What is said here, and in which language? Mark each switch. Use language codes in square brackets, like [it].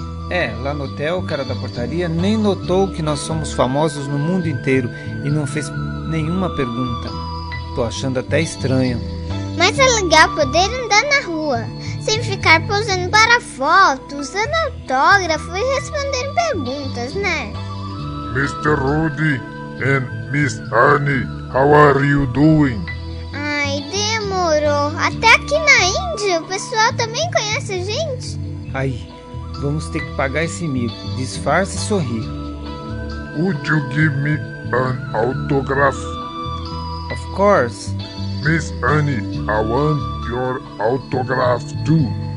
[pt] É, lá no hotel, o cara da portaria nem notou que nós somos famosos no mundo inteiro e não fez nenhuma pergunta. Tô achando até estranho. Mas é legal poder andar na rua, sem ficar posando para fotos, dando autógrafo e respondendo perguntas, né? [en] Mr. Rudy and Miss Annie, how are you doing? [pt] Ai, demorou. Até aqui na Índia, o pessoal também conhece a gente? Aí, vamos ter que pagar esse mico. Disfarce e sorri. [en] Would you give me an autograph? Of course. Miss Annie, I want your autograph too.